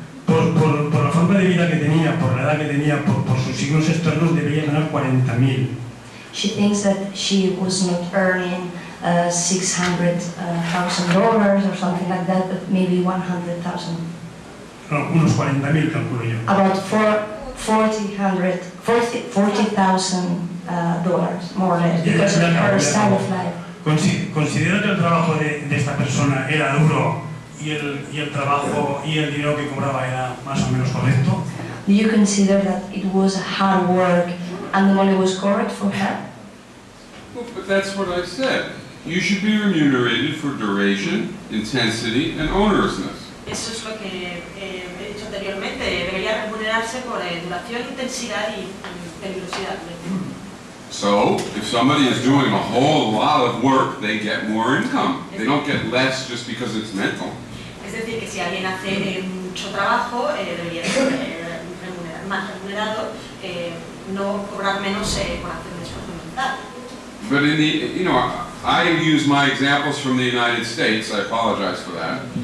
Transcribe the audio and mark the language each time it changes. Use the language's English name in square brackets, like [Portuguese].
[Spanish] Por la forma de vida que tenía, por la edad que tenía, por sus signos externos, debería ganar 40.000. [English] She thinks that she was not earning $600,000 or something like that, but maybe $100,000. [Spanish] No, unos 40.000 calculo yo. [English] About $40,000 more or less, because of her style of life. [Spanish] Considero que el trabajo de esta persona era duro y el trabajo y el dinero que cobraba era más o menos correcto. [English] Do you consider that it was hard work and the money was correct for her? Well, but that's what I said. You should be remunerated for duration, intensity, and onerousness. [Spanish] Eso es lo que he dicho anteriormente. Debería remunerarse por duración, intensidad y peligrosidad. [English] So, if somebody is doing a whole lot of work, they get more income. They don't get less just because it's mental. [Spanish] Es decir, que si alguien hace mucho trabajo, debería ser más remunerado, no cobrar menos por hacer un esfuerzo mental. [English] But in the, you know, I use my examples from the United States, I apologize for that.